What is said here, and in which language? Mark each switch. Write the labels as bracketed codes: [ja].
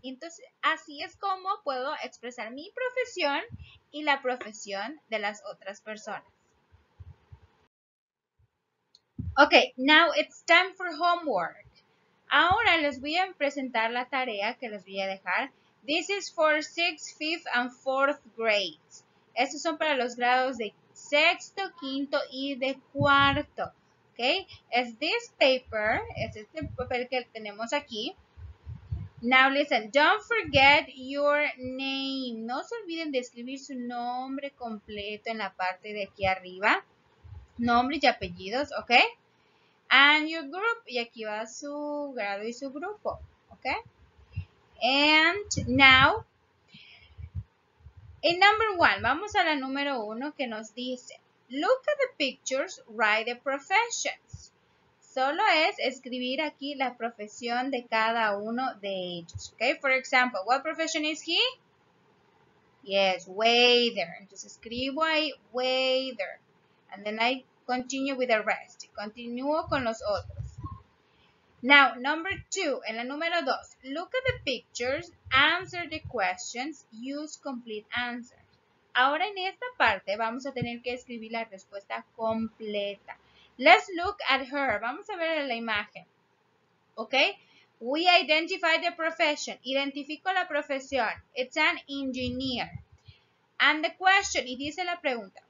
[es] Entonces, así es como puedo expresar mi profesión y la profesión de las otras personas. [en] Okay, now it's time for homework. [es] Ahora les voy a presentar la tarea que les voy a dejar. [en] This is for 6th, 5th, and 4th grades. [es] Estos son para los grados de 6º, 5º y de 4º. [en] Okay, it's this paper, [es] es este papel que tenemos aquí. [en] Now listen, don't forget your name. [es] No se olviden de escribir su nombre completo en la parte de aquí arriba. Nombre y apellidos, ok. [en] And your group, [es] y aquí va su grado y su grupo, ok. [en] And now, in number one, [es] vamos a la número uno que nos dice, [en] look at the pictures, write the professions. [es] Solo es escribir aquí la profesión de cada uno de ellos. [en] Okay, for example, what profession is he? Yes, waiter. [es] Entonces escribo ahí, [en] waiter. And then I continue with the rest. [es] Continúo con los otros. [en] Now, number two, [es] en la número dos. [en] Look at the pictures, answer the questions, use complete answers. [es] Ahora en esta parte vamos a tener que escribir la respuesta completa. [en] Let's look at her. [es] Vamos a ver la imagen. ¿Ok? [en] We identify the profession. [es] Identifico la profesión. [en] It's an engineer. And the question. [es] Y dice la pregunta.